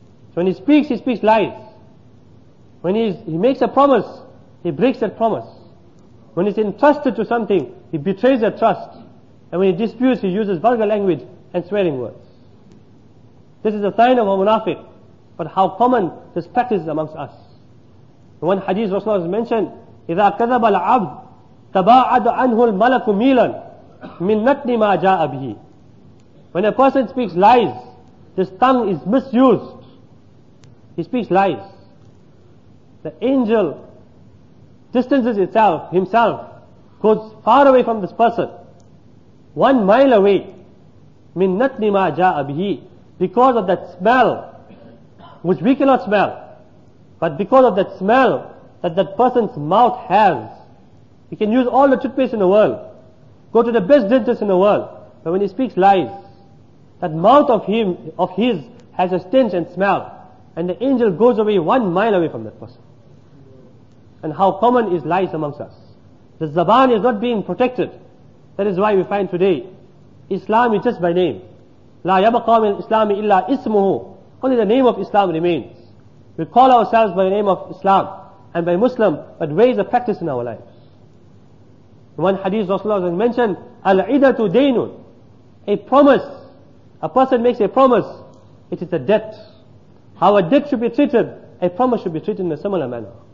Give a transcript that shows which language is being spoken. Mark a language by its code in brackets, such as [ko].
[en] So when he speaks lies. When he makes a promise, he breaks that promise. When he's entrusted to something, he betrays that trust. And when he disputes, he uses vulgar language and swearing words. This is a sign of a munafiq. But how common this practice is amongst us. In one hadith Rasulullah has mentioned, [ar] إِذَا كَذَبَ الْعَبْدُ تَبَاعَدُ عَنْهُ الْمَلَكُ مِيلًا مِنْ نَتْنِ مَا جَاءَ بِهِ. [en] When a person speaks lies, his tongue is misused. He speaks lies. The angel distances himself, goes far away from this person, 1 mile away, [ar] مِنْ نَتْنِ مَا جَاءَ بِهِ, [en] because of that smell, which we cannot smell, but because of that smell that person's mouth has. He can use all the toothpaste in the world, go to the best dentist in the world, but when he speaks lies, that mouth of his has a stench and smell, and the angel goes away 1 mile away from that person. And how common is lies amongst us. The zaban is not being protected. That is why we find today, Islam is just by name. [ar] لا يبقى من الإسلام إلا اسمه. [en] Only the name of Islam remains. We call ourselves by the name of Islam and by Muslim, but where is the practice in our lives? One hadith Rasulullah has mentioned, [ar] Al-idatu daynun. [en] A promise. A person makes a promise, it is a debt. How a debt should be treated, a promise should be treated in a similar manner.